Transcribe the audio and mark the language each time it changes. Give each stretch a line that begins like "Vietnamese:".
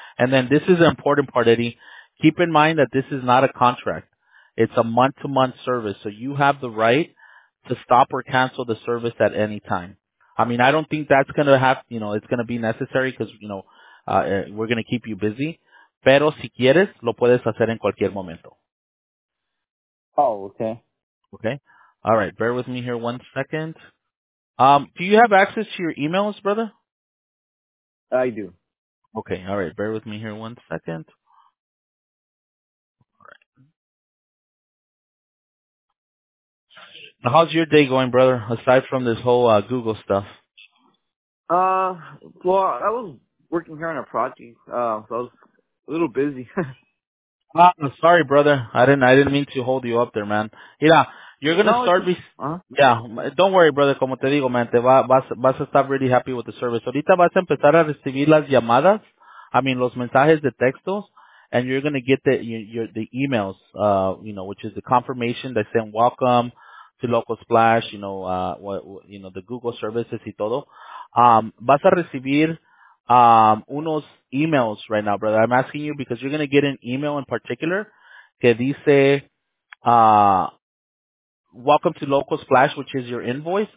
English: And then this is an important part, Eddie. Keep in mind that this is not a contract. It's a month-to-month service, so you have the right to stop or cancel the service at any time. I mean, I don't think that's going to have, you know, it's going to be necessary because, you know, we're going to keep you busy.
Spanish: Pero si quieres, lo puedes hacer en cualquier momento.
English: Oh, okay. Okay. All right. Bear with me here one second. Do you have access to your emails, brother? I do. Okay. All right. Bear with me here one second. All right. Now, how's your day going, brother, aside from this whole Google stuff? Well, I was working here on a project, so I was a little busy. sorry, brother. I didn't mean to hold you up there, man. Yeah, you're gonna don't worry, brother.
Spanish: Como te digo, man, vas a estar
English: really happy with the service.
Spanish: Ahorita vas a empezar a recibir las llamadas.
English: I mean,
Spanish: los mensajes de textos,
English: and you're gonna get the emails. You know, which is the confirmation that saying welcome to Local Splash. You know, the Google services
Spanish: y todo. Vas a recibir unos emails
English: right now, brother. I'm asking you because you're going to get an email in particular
Spanish: que dice,
English: welcome to Local Splash, which is your invoice.